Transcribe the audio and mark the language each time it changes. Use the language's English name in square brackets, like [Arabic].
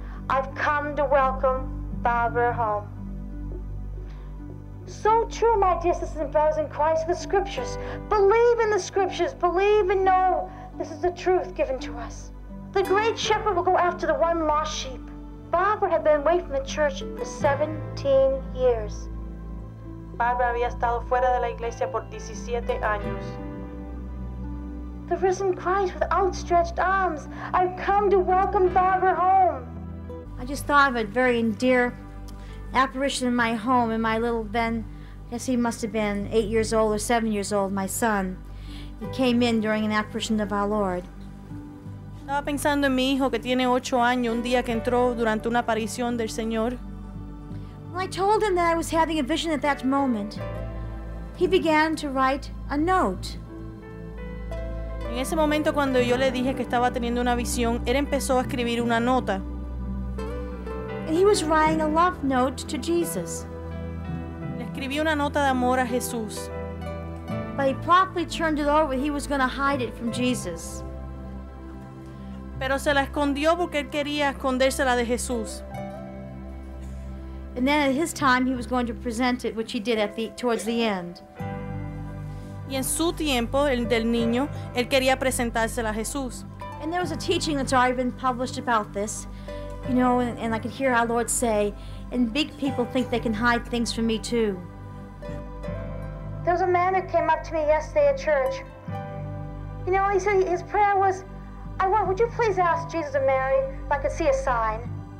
[English] I've come to welcome Barbara home. So true, my dear sisters and brothers in Christ, the scriptures. Believe in the scriptures. Believe and know this is the truth given to us. The great shepherd will go after the one lost sheep. Barbara had been away from the church for 17 years. [Spanish] Barbara había estado fuera de la iglesia por 17 años. [English] The risen Christ with outstretched arms, I've come to welcome Barbara home. I just thought of a very dear apparition in my home, and my little Ben, I guess he must have been 8 years old or 7 years old, my son. He came in during an apparition of our Lord. [Spanish] Estaba pensando en mi hijo que tiene 8 años, un día que entró durante una aparición del Señor. [English] Well, I told him that I was having a vision at that moment. He began to write a note. [Spanish] En ese momento cuando yo le dije que estaba teniendo una visión, él empezó a escribir una nota. [English] And he was writing a love note to Jesus. [Spanish] Le escribí una nota de amor a Jesús. [English] But he promptly turned it over. He was going to hide it from Jesus. [Spanish] Pero se la escondió porque él quería escondérsela de Jesús. [English] And then at his time he was going to present it, which he did at the towards the end. [Spanish] Y en su tiempo, el del niño, él quería presentársela a Jesús. [English] And there was a teaching that's already been published about this, you know, and I could hear our Lord say, and big people think they can hide things from me too. There was a man who came up to me yesterday at church. You know, he said his prayer was, I want, would you please ask Jesus and Mary if I could see a sign?